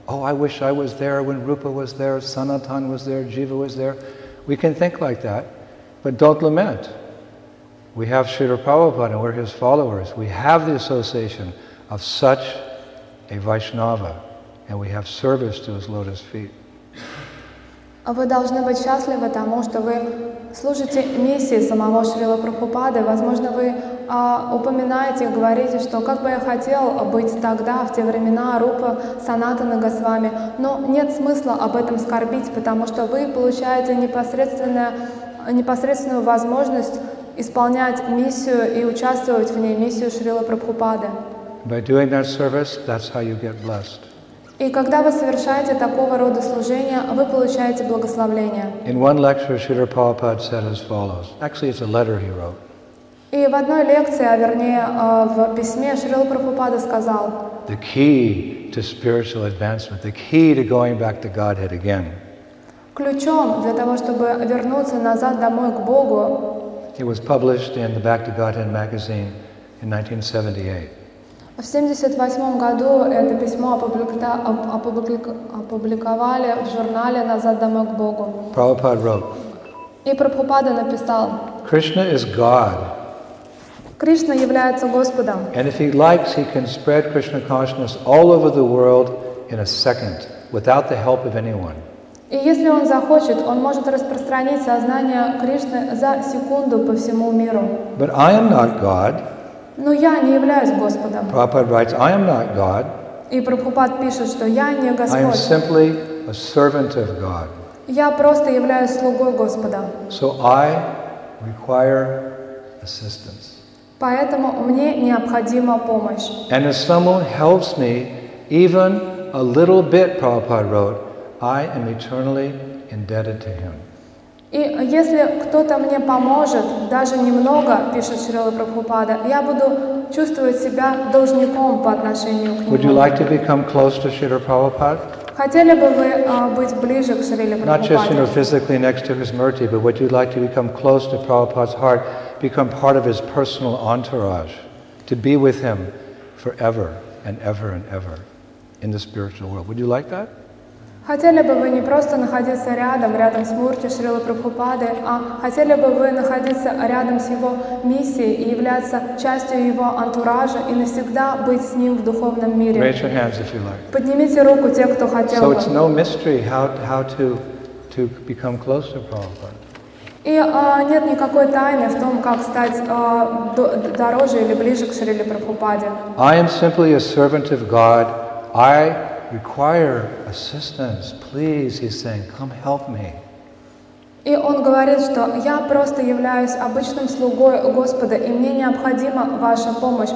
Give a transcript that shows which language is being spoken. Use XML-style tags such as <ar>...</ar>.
<en>I wish I was there when Rupa was there, Sanatana was there, Jiva was there. We can think like that, but don't lament. We have Śrīla Prabhupāda and we're his followers. We have the association of such a Vaishnava and we have service to his lotus feet.</en> <ru>Вы должны быть счастливы тому, что вы служите миссии самого Шрила Прабхупады. Возможно, вы упоминаете, говорите, что как бы я хотел быть тогда, в те времена, Рупа, Санатана Госвами. Но нет смысла об этом скорбить, потому что вы получаете непосредственную возможность исполнять миссию и участвовать в ней, миссию Шрила Прабхупады.</ru> <en>By doing that service, that's how you get blessed.</en> <ru>И когда вы совершаете такого рода служение, вы получаете благословение.</ru> <en>In one lecture, Śrīla Prabhupāda said as follows. Actually, it's a letter he wrote.</en> <ru>И в одной лекции, а вернее, в письме Шрила Прабхупада сказал:</ru> <en>The key to spiritual advancement, the key to going back to Godhead again.</en> <ru>Ключом для того, чтобы вернуться назад домой к Богу.</ru> <en>It was published in the Back to Godhead magazine in 1978.</en> <ru>В 78 году это письмо опубликовали в журнале «Назад домой к Богу».</ru> <en>Prabhupada wrote.</en> <ru>И Прабхупада написал.</ru> <en>Krishna is God.</en> <ru>Кришна является Господом.</ru> <en>And if he likes, he can spread Krishna consciousness all over the world in a second, without the help of anyone.</en> <ru>И если он захочет, он может распространить сознание Кришны за секунду по всему миру.</ru> <en>But I am not God.</en> <ru>Но я не являюсь Господом.</ru> <en>Prabhupada writes, I am not God.</en> <ru>И Прабхупад пишет, что я не Господь.</ru> <en>I am simply a servant of God.</en> <ru>Я просто являюсь слугой Господа.</ru> <en>So I require assistance.</en> <ru>Поэтому мне необходима помощь.</ru> <en>And if someone helps me, even a little bit, Prabhupada wrote, I am eternally indebted to him.</en> <ru>И если кто-то мне поможет, даже немного, пишет Шрила Прабхупада, я буду чувствовать себя должником по отношению к нему.</ru> <en>Would you like to become close to Śrīla Prabhupāda?</en> <ru>Хотели бы вы быть ближе к Шриле Прабхупаде?</ru> <en>Not just, you know, physically next to his murti, but would you like to become close to Prabhupada's heart, become part of his personal entourage, to be with him forever and ever in the spiritual world? Would you like that?</en> <ru>Хотели бы вы не просто находиться рядом с Мурти Шрилы Прабхупады, а хотели бы вы находиться рядом с его миссией и являться частью его антуража и навсегда быть с ним в духовном мире?</ru> <en>Raise your hands if you like.</en> <ru>Поднимите руку те, кто хотел бы.</ru> <en>So it's no mystery how to become close to Prabhupada.</en> <ru>И нет никакой тайны в том, как стать дороже или ближе к Шриле Прабхупаде.</ru> <en>I am simply a servant of God. I require assistance, please, he's saying, come help me.</en> <ru>И он говорит, что я просто являюсь обычным слугой Господа, и мне необходима ваша помощь.</ru>